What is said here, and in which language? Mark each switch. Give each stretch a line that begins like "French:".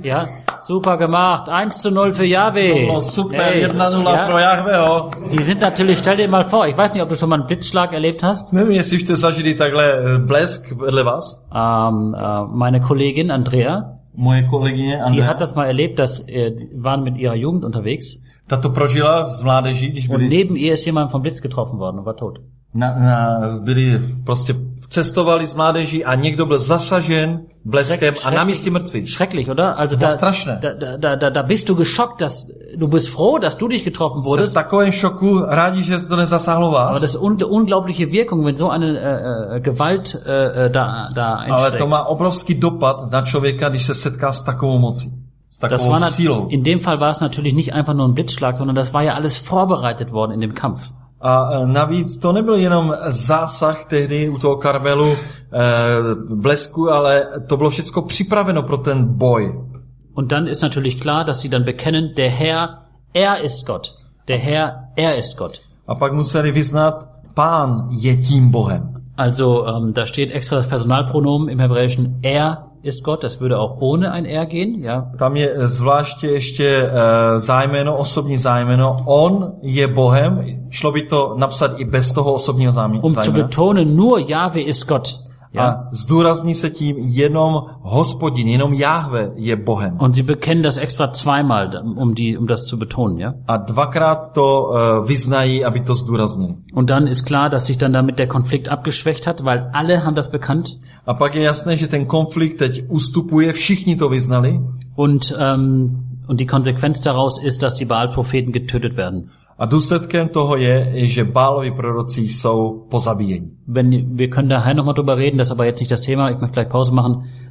German: Ja, super gemacht, 1-0 für Yahweh.
Czech: No, super, hey. 1-0 ja. Pro Yahweh.
German: Die sind natürlich, stell dir mal vor, ich weiß nicht, ob du schon mal einen Blitzschlag erlebt hast.
Czech: Nevím, jestli jste zažili takhle blesk vedle vás.
German: Meine Kollegin Andrea.
Czech: Moje kolegyně Andrea.
German: Die hat das mal erlebt, dass waren mit ihrer Jugend unterwegs.
Czech: Ta to prožila z mládeží.
German: Und neben ihr ist jemand vom Blitz getroffen worden und war tot.
Czech: Byli prostě cestovali z mládeží a někdo byl zasažen bleskem a na místě mrtvý.
German: Schrecklich, oder? Also da,
Czech: strašné.
German: Da bist du geschockt, dass du bist froh, dass du dich getroffen wurdest.
Czech: Jste v takovém šoku, rádi, že to nezasáhlo vás.
German: Aber das ist unglaubliche Wirkung, wenn so eine Gewalt da einsteigt.
Czech: Ale to má obrovský dopad na člověka, když se setká s takovou mocí.
German: Das war in dem Fall war es natürlich nicht einfach nur ein Blitzschlag, sondern das war ja alles vorbereitet worden in dem Kampf.
Czech: A navíc to nebyl jenom zásah tehdy u toho Karmelu blesku, ale to bylo všechno připraveno pro ten boj.
German: Und dann ist natürlich klar, dass sie dann bekennen, der Herr, er ist Gott. Der Herr, er ist Gott.
Czech: A pak museli vyznat, Pán je tím Bohem.
German: Also, da steht extra das Personalpronomen im Hebräischen, er ist Gott, das würde auch ohne ein er gehen, ja.
Czech: Tam je zvláště ještě zájmeno, osobní zájmeno, on je Bohem, šlo by to napsat i bez toho osobního zájmena.
German: Um zu betonen, nur Jahwe ist Gott. Ja.
Czech: A zdůrazní se tím, jenom Hospodin, jenom Jahwe je Bohem.
German: Und sie bekennen das extra zweimal, um das zu betonen, ja.
Czech: A dvakrát to vyznají, aby to zdůraznili.
German: Und dann ist klar, dass sich dann damit der Konflikt abgeschwächt hat, weil alle haben das bekannt.
Czech: A pak je jasné, že ten konflikt teď ustupuje, všichni to vyznali.
German: Und die Konsequenz daraus ist, dass die Baal-Propheten getötet werden.
Czech: A důsledkem toho je, že Baalovi proroci jsou pozabíjeni.
German: Wenn wir können daher noch mal drüber reden, das ist aber jetzt nicht das Thema, ich möchte gleich Pause machen.